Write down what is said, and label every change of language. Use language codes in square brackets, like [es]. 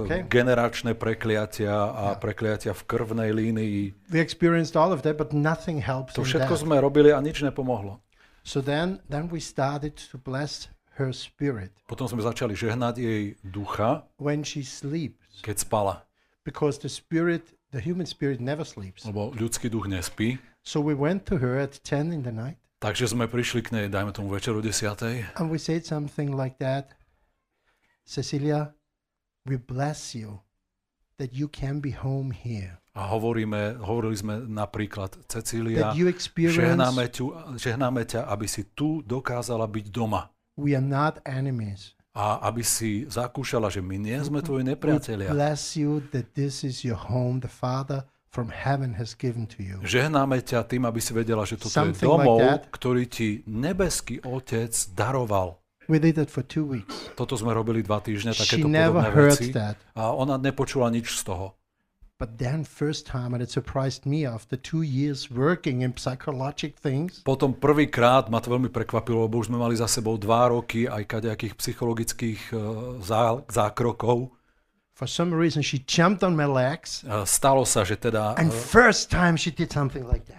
[sk] Generačné prekliatia a prekliatia v krvnej línii. [en] We experienced all of that, but nothing helped. [sk] To všetko sme robili a nič nepomohlo. [en] So then we started to bless her spirit. [sk] Potom sme začali žehnať jej ducha. [en] When she sleeps. [sk] Keď spala. [en] Because the human spirit never sleeps. [sk] Lebo ľudský duch nespí. [en] So we went to her at 10 in the night. [sk] Takže sme prišli k nej, dajme tomu večer o 10. [en] And we said something like that. Cecilia, we bless you that you can be home here. [sk] A hovorili sme napríklad Cecília, žehnáme ťa, aby si tu dokázala byť doma. [en] We are not enemies. [sk] A aby si zakúšala, že my nie sme tvoji nepriatelia. [en] We bless you that this is your home, the Father from heaven has given to you. [sk] Žehnáme ťa tým, aby si vedela, že toto je domov, ktorý ti nebeský Otec daroval. [en] We did that for 2 weeks. [sk] Toto sme robili 2 týždne, takéto podobné veci. [en] She never heard that. [sk] A ona nepočula nič z toho. [en] But then first time and it surprised me after 2 years working in psychological things. [sk] Potom prvýkrát ma to veľmi prekvapilo, lebo už sme mali za sebou 2 roky aj kadejakých psychologických zákrokov. [en] For some reason she jumped on my legs. [sk] Stalo sa, že teda [en] and first time she did something like that.